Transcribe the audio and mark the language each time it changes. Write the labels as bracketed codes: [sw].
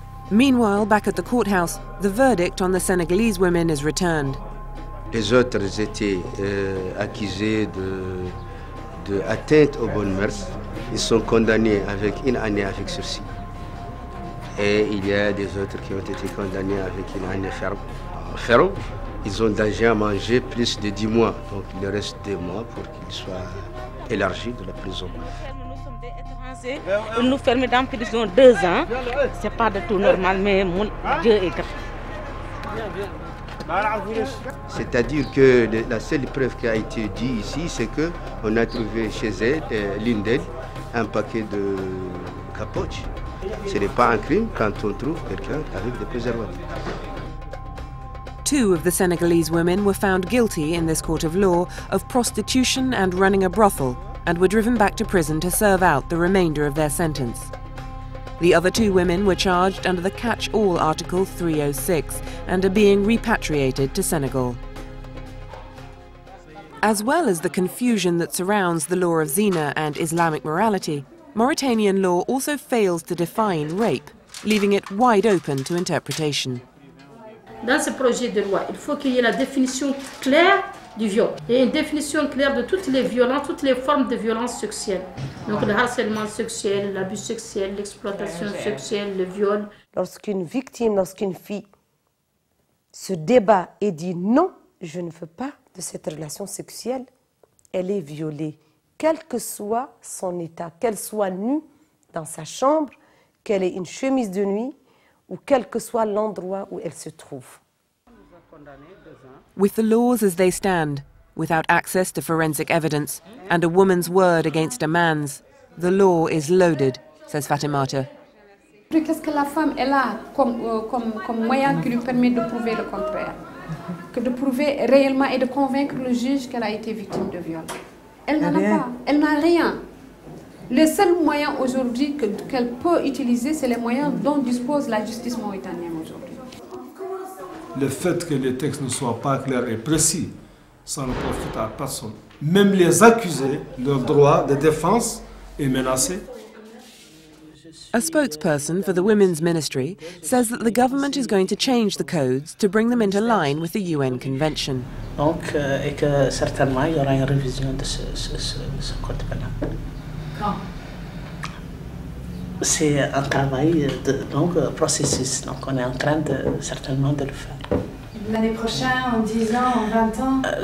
[en] Meanwhile, back at the courthouse, the verdict on the Senegalese women is returned. [fr] Les autres étaient accusés de atteinte aux bonnes mœurs. Ils sont condamnés avec une année avec sursis. Et il y a des autres qui ont été condamnés avec une année ferme. Ils ont déjà mangé plus de 10 mois, donc il reste des mois pour qu'ils soient élargis de la prison. Nous sommes fermés dans la prison 2 ans. Ce n'est pas du tout normal, mais mon Dieu est grand. C'est-à-dire que la seule preuve qui a été dite ici, c'est qu'on a trouvé chez elle, l'une d'elles, un paquet de capotes. Ce n'est pas un crime quand on trouve quelqu'un avec des préservatifs. [en] Two of the Senegalese women were found guilty in this court of law of prostitution and running a brothel and were driven back to prison to serve out the remainder of their sentence. The other two women were charged under the catch-all article 306 and are being repatriated to Senegal. As well as the confusion that surrounds the law of zina and Islamic morality, Mauritanian law also fails to define rape, leaving it wide open to interpretation. [fr] Dans ce projet de loi, il faut qu'il y ait la définition claire du viol et une définition claire de toutes les violences, toutes les formes de violence sexuelle. Donc le harcèlement sexuel, l'abus sexuel, l'exploitation sexuelle, le viol. Lorsqu'une victime, lorsqu'une fille se débat et dit non, je ne veux pas de cette relation sexuelle, elle est violée, quel que soit son état, qu'elle soit nue dans sa chambre, qu'elle ait une chemise de nuit, ou quel que soit l'endroit où elle se trouve. [en] With the laws as they stand, without access to forensic evidence, and a woman's word against a man's, the law is loaded, says Fatimata. [fr] Qu'est-ce que la femme elle a comme moyen qui lui permet de prouver le contraire? Que de prouver réellement et de convaincre le juge qu'elle a été victime de viol. Elle n'en a pas, elle n'a rien. Le seul moyen aujourd'hui qu'elle peut utiliser, c'est les moyens dont dispose la justice mauritanienne aujourd'hui. Le fait que les textes ne soient pas clairs et précis, ça ne profite à personne. Même les accusés, leur droit de défense est menacé. [en] A spokesperson for the Women's Ministry says that the government is going to change the codes to bring them into line with the UN Convention. [fr] Donc, et que certainement, il y aura une révision de ce code pénal. Quand? C'est un travail, donc un processus, donc on est en train de certainement de le faire. L'année prochaine, en 10 ans, en 20 ans?